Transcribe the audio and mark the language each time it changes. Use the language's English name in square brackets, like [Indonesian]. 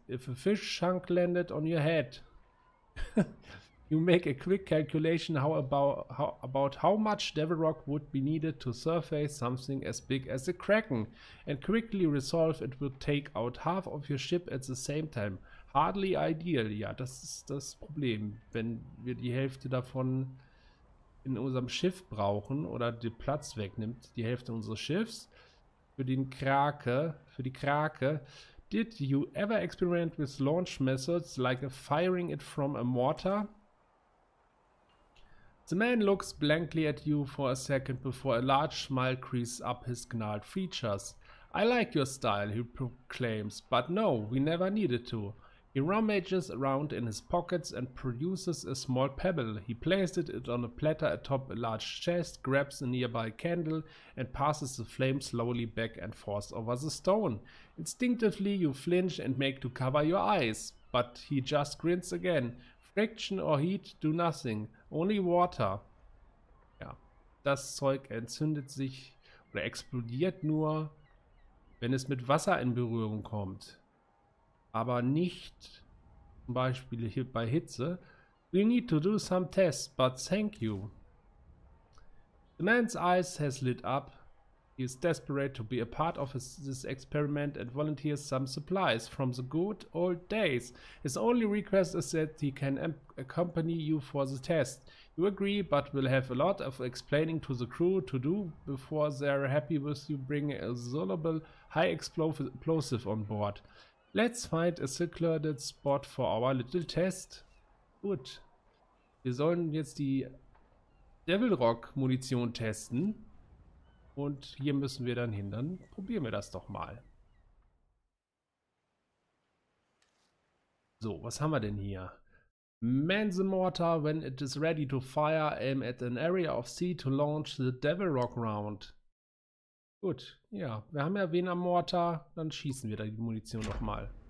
[English] If a fish chunk landed on your head, you make a quick calculation how much Devil Rock would be needed to surface something as big as a Kraken, and quickly resolve it will take out half of your ship at the same time. Hardly ideal. [German] Ja, das ist das Problem. Wenn wir die Hälfte davon in unserem Schiff brauchen oder den Platz wegnimmt, die Hälfte unseres Schiffs, für die Krake. [English] Did you ever experiment with launch methods like firing it from a mortar? The man looks blankly at you for a second before a large smile creases up his gnarled features. I like your style, he proclaims, but no, we never needed to. He rummages around in his pockets and produces a small pebble. He places it on a platter atop a large chest, grabs a nearby candle, and passes the flame slowly back and forth over the stone. Instinctively, you flinch and make to cover your eyes, but he just grins again. Friction or heat do nothing. Only water. [German] Ja, das Zeug entzündet sich oder explodiert nur, wenn es mit Wasser in Berührung kommt. Aber nicht zum Beispiel hier bei Hitze. [English] We need to do some tests, but thank you. The man's eyes has lit up. He is desperate to be a part of this experiment and volunteers some supplies from the good old days. His only request is that he can accompany you for the test. You agree, but will have a lot of explaining to the crew to do before they are happy with you bringing a soluble high explosive on board. Let's find a secluded spot for our little test. [German] Gut. Wir sollen jetzt die Devil Rock Munition testen. Und hier müssen wir dann hin. Dann probieren wir das doch mal. So, was haben wir denn hier? [English] Man the mortar when it is ready to fire, aim at an area of sea to launch the Devil Rock round. [German] Gut, ja, wir haben ja wen am Mortar, dann schießen wir da die Munition nochmal.